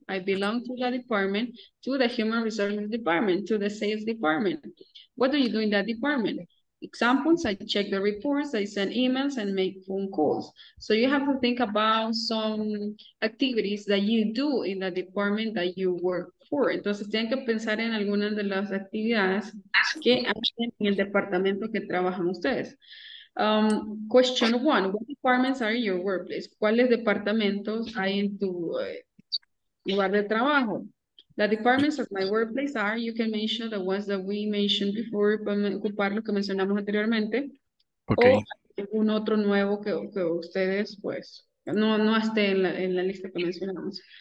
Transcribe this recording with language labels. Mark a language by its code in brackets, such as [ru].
[en] I belong to the department, to the human resources department, to the sales department. What do you do in that department? Examples, I check the reports, I send emails and make phone calls. So you have to think about some activities that you do in the department that you work. [es] Entonces, tienen que pensar en algunas de las actividades que hacen en el departamento que trabajan ustedes. [en] Question one, what departments are in your workplace? [es] ¿Cuáles departamentos hay en tu lugar de trabajo? [en] The departments of my workplace are, you can mention the ones that we mentioned before, [es] ocupar lo que mencionamos anteriormente. [en] Okay. [es] O algún otro nuevo que ustedes, pues, no esté en la lista que mencionamos.